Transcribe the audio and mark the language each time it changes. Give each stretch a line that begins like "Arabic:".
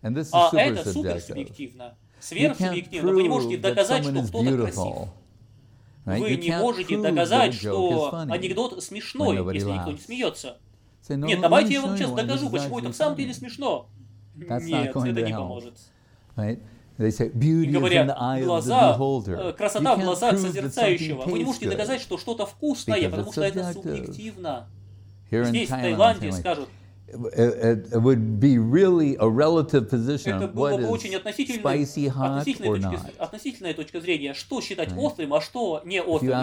Russian: А это суперсубъективно. Сверхсубъективно. Вы не можете доказать, что кто-то красив. Вы не можете доказать, что анекдот смешной, если никто не смеется. Нет, давайте я вам сейчас докажу, почему это в самом деле смешно. Нет, это не поможет.
English: They say beauty is in the eye of the beholder.
Russian: Красота в глазах созерцающего. Вы не можете доказать, что что-то вкусное, потому что это субъективно. Здесь, в Таиланде, скажут,
English: it would be really a relative position. What is spicy, hot, or not?
Russian: Это было бы очень относительная точка зрения, что считать острым, а что не острым.